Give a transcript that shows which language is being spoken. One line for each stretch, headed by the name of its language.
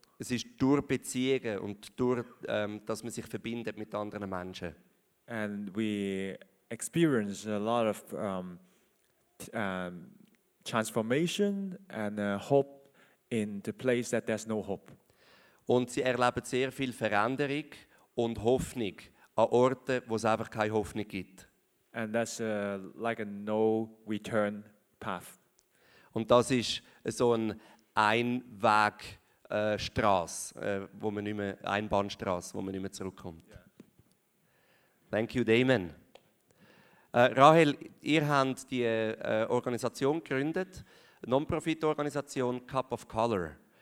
German: Es ist durch Beziehungen und durch, dass man sich verbindet mit anderen Menschen.
English: And we experience a lot of transformation and hope in the place that there's no hope.
German: Und sie erleben sehr viel Veränderung und Hoffnung an Orten, wo es einfach keine Hoffnung gibt.
English: And that's like a no return path.
German: Und das ist so ein Einweg Straße, wo man nicht mehr Einbahnstraße, wo man nicht mehr zurückkommt.
English: Yeah. Thank you, Damon.
German: Rahel, ihr habt die Organisation gegründet, Non-Profit-Organisation Cup of Color.